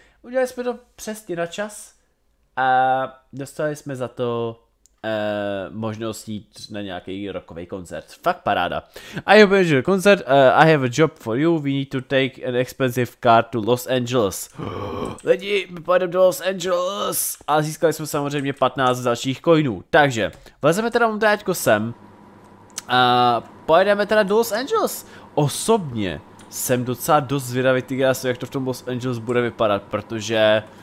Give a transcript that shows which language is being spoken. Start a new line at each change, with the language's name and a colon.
Czech: Udělali jsme to přesně na čas a dostali jsme za to možnost jít na nějaký rockový koncert. Fakt paráda.
English: I have a concert, I have a job for you, we need to take an expensive car to Los Angeles.
Czech: Lidi, my pojedeme do Los Angeles! A získali jsme samozřejmě 15 dalších coinů. Takže, vlezeme teda momentáčko sem. A pojedeme teda do Los Angeles. Osobně jsem docela dost zvědavý, ty krásu, jak to v tom Los Angeles bude vypadat, protože...